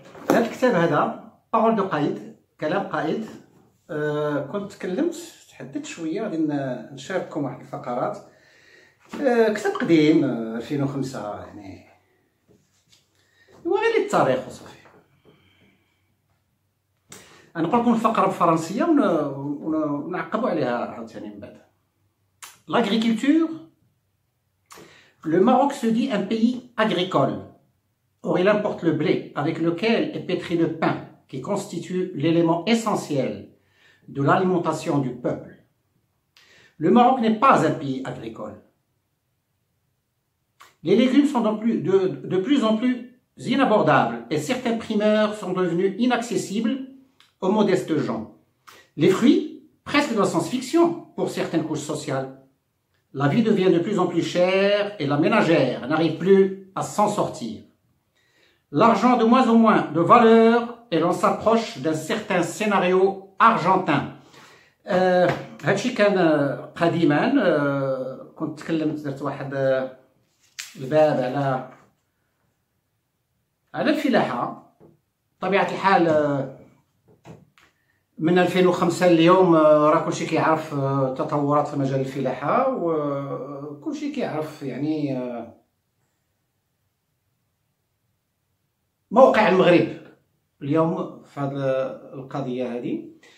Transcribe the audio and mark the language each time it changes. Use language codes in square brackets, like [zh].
[ar] هذا الكتاب هذا بارول دو قائد، كلام قائد. كنت تكلمت تحدث شوية، غادي نشارككم واحد الفقرات. كتاب قديم 2005 يعني، وغير التاريخ وصافي. أنا نقول لكم الفقرة بالفرنسية ونعقبوا عليها عاوتاني من بعد. [fr] L'agriculture. Le Maroc se dit un pays agricole. Or, il importe le blé, avec lequel est pétri le pain, qui constitue l'élément essentiel de l'alimentation du peuple. Le Maroc n'est pas un pays agricole. Les légumes sont de plus en plus inabordables et certains primeurs sont devenus inaccessibles aux modestes gens. Les fruits, presque dans le sens fiction pour certaines couches sociales. La vie devient de plus en plus chère et la ménagère n'arrive plus à s'en sortir. L'argent de moins en moins de valeur et l'on s'approche d'un certain scénario argentin. Hachikan Pradiman, quand tu parles de toi, le bab, elle a filé, tabiat l'hal. [ar] من 2005 اليوم راه كلشي كيعرف التطورات في مجال الفلاحة، وكلشي كيعرف يعني موقع المغرب اليوم في هذه القضية هذه.